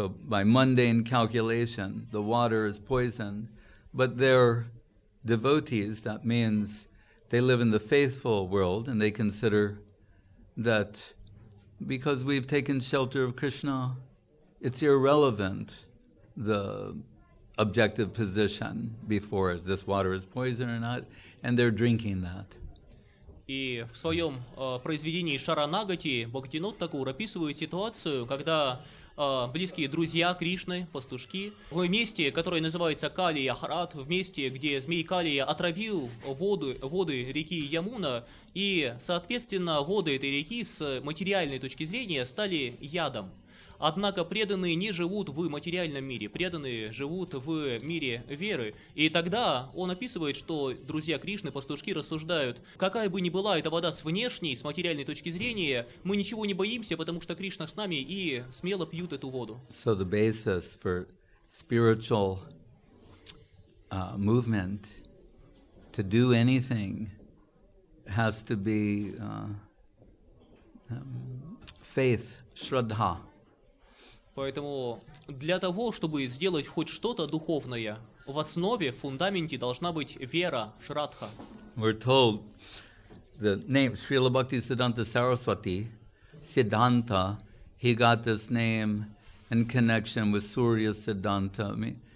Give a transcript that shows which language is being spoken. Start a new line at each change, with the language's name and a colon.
English: By mundane calculation, the water is poisoned, but they're devotees, that means they live in the faithful world, and they consider that because we've taken shelter of Krishna, it's irrelevant, the objective position before us. This water is poison or not, and they're drinking that.
Russian: И в своем произведении Шаранагати Бхактинот Такур описывает ситуацию, когда близкие друзья Кришны, пастушки, в месте, которое называется Калия-Харат, в месте, где змей Калия отравил воды реки Ямуна, и, соответственно, воды этой реки с материальной точки зрения стали ядом. Однако преданные не живут в материальном мире, преданные живут в мире веры. И тогда он описывает, что друзья Кришны, пастушки, рассуждают, какая бы ни была эта вода с внешней, с материальной точки зрения, мы ничего не боимся, потому что Кришна с нами и смело пьют эту воду.
English: So the basis for spiritual movement to do anything has to be faith, shraddha.
Russian: Поэтому для того, чтобы сделать хоть что-то духовное, в основе, в фундаменте должна быть вера, шрадха.
English: We're told the name Srila Bhaktisiddhanta Saraswati, Siddhanta, he got this name in connection with Surya Siddhanta.